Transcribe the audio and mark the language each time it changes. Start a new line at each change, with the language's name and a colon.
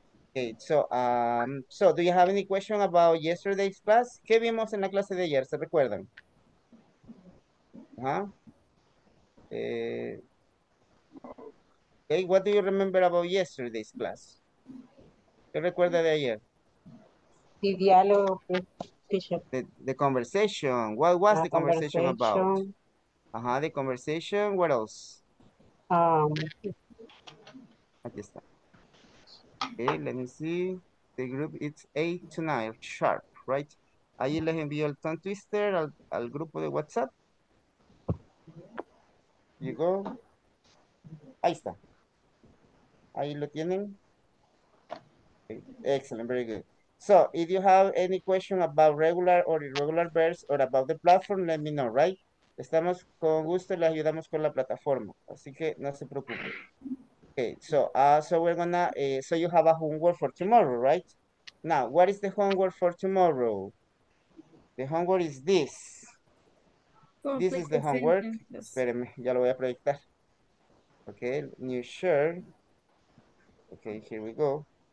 English: Okay, so do you have any question about yesterday's class?
Spanish: ¿Qué vimos en la clase de ayer? ¿Se recuerdan? Huh?
English: Hey, what do you remember about yesterday's class?
Spanish: ¿Qué recuerda de ayer?
English: The dialogue, teacher. The conversation. What was the conversation about? Uh-huh, the conversation. What else?
Spanish: Aquí está.
English: Okay, let me see. The group, it's 8 to 9 sharp, right?
Spanish: Ahí les envío el tongue twister al grupo de WhatsApp. Llegó. Ahí está. Ahí lo tienen.
English: Excellent, very good. So, if you have any question about regular or irregular verbs or about the platform, let me know, right?
Spanish: Estamos con gusto, le ayudamos con la plataforma. Así que no se preocupe.
English: Okay, so, so we're gonna, so you have a homework for tomorrow, right? Now, what is the homework for tomorrow? The homework is this. This is the homework.
Spanish: Espérenme, ya lo voy a proyectar.
English: Okay, new shirt. Okay, here we go.